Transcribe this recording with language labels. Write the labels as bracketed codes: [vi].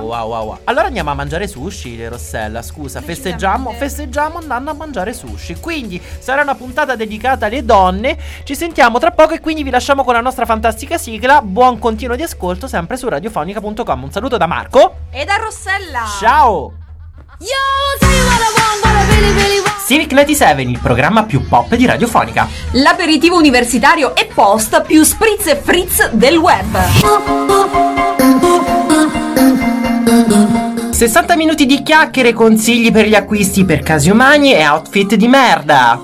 [it] Wow. Allora andiamo a mangiare sushi, Rossella, scusa, festeggiamo andando a mangiare sushi. Quindi sarà una puntata dedicata alle donne. Ci sentiamo tra poco e quindi vi lasciamo con la nostra fantastica sigla. Buon continuo di ascolto sempre su radiofonica.com. Un saluto da Marco e da Rossella. Ciao. [en] Yo, tell me what I want, what I really, really want. [it] Civic 97, il programma più pop di Radiofonica. L'aperitivo universitario e post più spritz e fritz del web. 60 minuti di chiacchiere, consigli per gli acquisti per casi umani e outfit di merda.